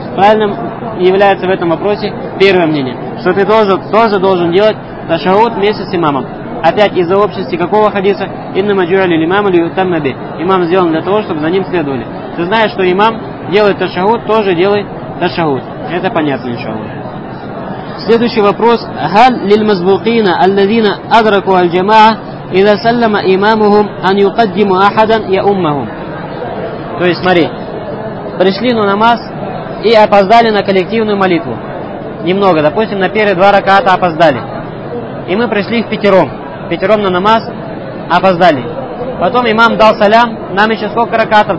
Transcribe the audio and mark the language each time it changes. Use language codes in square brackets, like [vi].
[ru] Правильным является в этом вопросе первое мнение, что ты тоже должен делать ташахуд вместе с имамом. Опять из-за общности какого хадиса? [ar] Инна маджуали лимаму лютаммаби. [ru] Имам сделан для того, чтобы за ним следовали. Ты знаешь, что имам делает ташахуд, тоже делай ташахуд. Это понятно, иншаллах. Следующий вопрос. [ar] هل للمسبوقين الذين أدركوا الجماعة إذا سلم إمامهم أن يقدموا أحدا يأمهم؟ [ru] То есть, смотри, пришли на намаз и опоздали на коллективную молитву. Немного, допустим, на первые два раката опоздали. И мы пришли в пятером. Пятером на намаз опоздали. Потом имам дал салям, нам еще сколько ракатов?